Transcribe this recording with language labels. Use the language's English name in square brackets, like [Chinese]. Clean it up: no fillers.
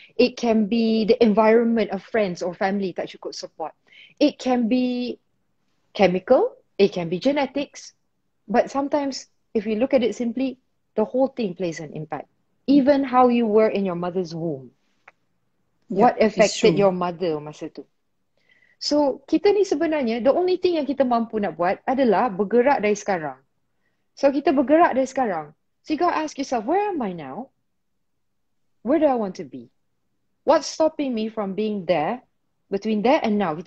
[English] It can be the environment of friends or family that you could support. It can be chemical. It can be genetics. But sometimes, if you look at it simply, the whole thing plays an impact. Even how you were in your mother's womb. Yep, What affected it's true. your mother [Malay] masa tu? So, kita ni sebenarnya, [English] the only thing [Malay] yang kita mampu nak buat adalah bergerak dari sekarang. So, kita bergerak dari sekarang. [English] So, you got to ask yourself, where am I now? Where do I want to be? What's stopping me from being there, between there and now?